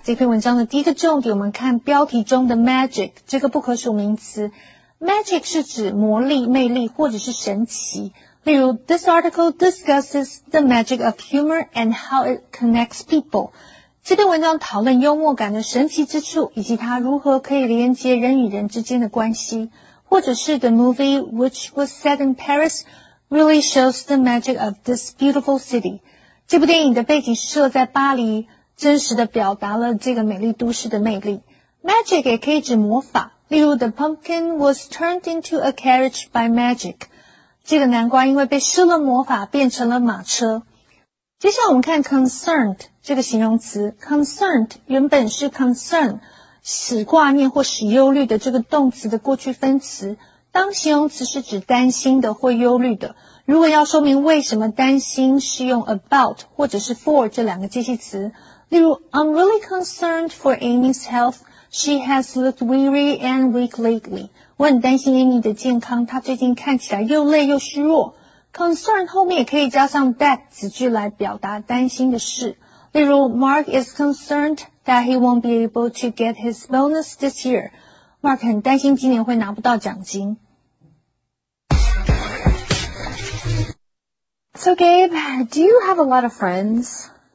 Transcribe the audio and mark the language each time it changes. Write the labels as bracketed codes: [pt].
[zh] 这篇文章的第一个重点，我们看标题中的 magic， 这个不可数名词。 Magic 是指魔力、魅力或者是神奇。例如 [en] ,this article discusses the magic of humor and how it connects people. [zh] 这篇文章讨论幽默感的神奇之处以及它如何可以连接人与人之间的关系。或者是 [en] the movie which was set in Paris really shows the magic of this beautiful city. [zh] 这部电影的背景设在巴黎，真实的表达了这个美丽都市的魅力。 [en] Magic [zh] 也可以指魔法，例如 [en] the pumpkin was turned into a carriage by magic. [zh] 这个南瓜因为被施了魔法变成了马车。接下来我们看 concerned 这个形容词。concerned 原本是 concern， 使挂念或使忧虑的这个动词的过去分词。当形容词是指担心的或忧虑的。如果要说明为什么担心，是用 about 或者是 for 这两个介系词。例如 [en] I'm really concerned for Amy's health. She has looked weary and weak lately. [zh] 我很担心 Amy 的健康，她最近看起来又累又虚弱。 Concern 后面也可以加上 that 子句来表达担心的事。例如 [en] ,Mark is concerned that he won't be able to get his bonus this year. [zh] Mark 很担心今年会拿不到奖金。 [en] So Gabe, do you have a lot of friends?